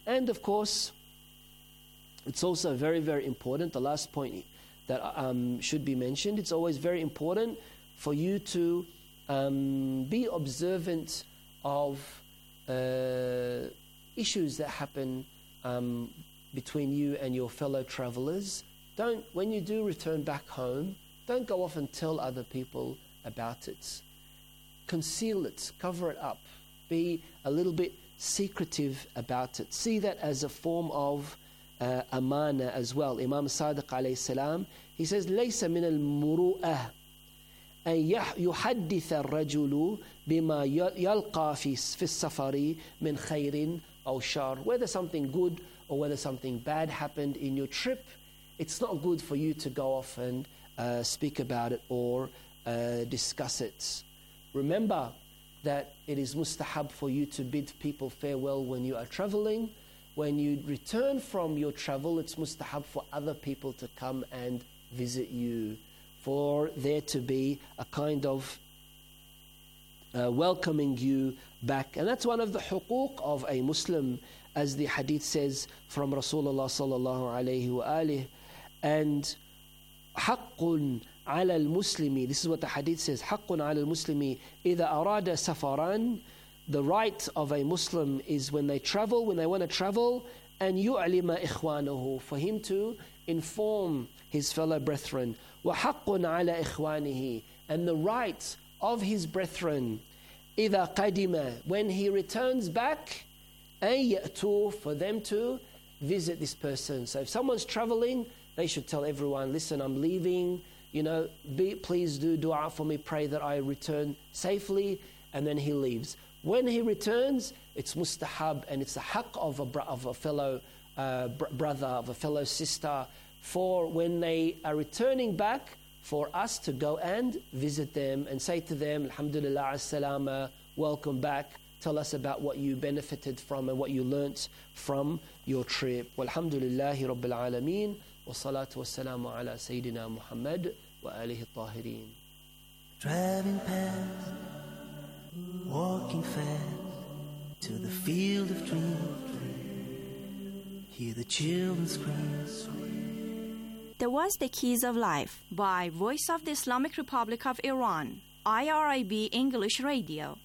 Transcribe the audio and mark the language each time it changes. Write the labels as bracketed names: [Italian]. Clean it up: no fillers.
[English] And of course, it's also very, very important, the last point that should be mentioned, it's always very important for you to be observant of issues that happen between you and your fellow travelers. Don't, when you do return back home, don't go off and tell other people about it. Conceal it, cover it up. Be a little bit secretive about it. See that as a form of amana as well. [Arabic] Imam Sadiq alayhi salam, [English] he says, [Arabic] لَيْسَ مِنَ الْمُرُوءَةِ أَنْ يُحَدِّثَ الرَّجُلُ بِمَا يَلْقَى فِي السَّفَرِ مِنْ خَيْرٍ أَوْ شَرٍ. [English] Whether something good or whether something bad happened in your trip, it's not good for you to go off and speak about it or discuss it. Remember that it is mustahab for you to bid people farewell when you are traveling. When you return from your travel, it's mustahab for other people to come and visit you, for there to be a kind of welcoming you back. And that's one of the huquq of a Muslim, as the hadith says from Rasulullah sallallahu alayhi wa alihi. [Arabic] And حَقٌ عَلَى الْمُسْلِمِ. [English] This is what the hadith says. [Arabic] حَقٌ عَلَى الْمُسْلِمِ إِذَا أَرَادَ سَفَرًا. [English] The right of a Muslim is when they travel, when they want to travel, and [Arabic] يُعْلِمَ إِخْوَانَهُ, [English] for him to inform his fellow brethren. [Arabic] وَحَقٌ عَلَى إِخْوَانِهِ. [English] And the right of his brethren, [Arabic] إِذَا قَدِمَ, [English] when he returns back, [Arabic] أَنْ يَأْتُوا, [English] for them to visit this person. So if someone's traveling, they should tell everyone, listen, I'm leaving, you know, please do dua for me, pray that I return safely, and then he leaves. When he returns, it's mustahab, and it's the haqq of a fellow brother, of a fellow sister, for when they are returning back, for us to go and visit them and say to them, Alhamdulillah, as-salama, welcome back. Tell us about what you benefited from and what you learnt from your trip. [Arabic] Walhamdulillahi Rabbil Alameen. والصلاة والسلام على سيدنا محمد وآله الطاهرين. [English] Driving past Walking fast to the field of dreams. Hear the children scream. There was The Keys of Life by Voice of the Islamic Republic of Iran, IRIB English Radio.